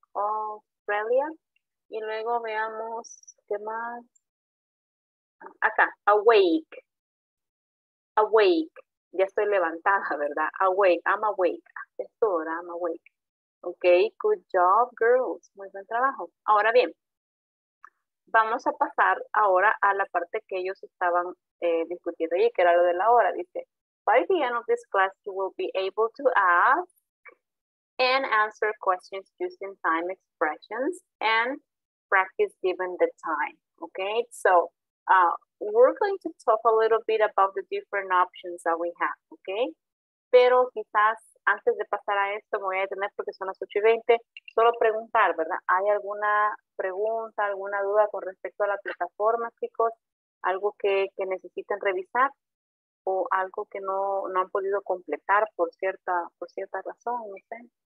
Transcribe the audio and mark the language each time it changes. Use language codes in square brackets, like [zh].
[es] Australia, y luego veamos qué más, acá, awake, awake, ya estoy levantada, ¿verdad? [en] Awake, I'm awake, [es] esto ahora, [en] I'm awake, ok, good job, girls, [es] muy buen trabajo. Ahora bien, vamos a pasar ahora a la parte que ellos estaban discutiendo allí, que era lo de la hora. Dice, [en] by the end of this class, you will be able to ask and answer questions using time expressions and practice given the time. Okay, so We're going to talk a little bit about the different options that we have, okay? [es] Pero quizás antes de pasar a esto, me voy a detener porque son las 8:20, solo preguntar, ¿verdad? ¿Hay alguna pregunta, alguna duda con respecto a la plataforma, chicos? ¿Algo que necesiten revisar? ¿O algo que no han podido completar por cierta razón? No sé.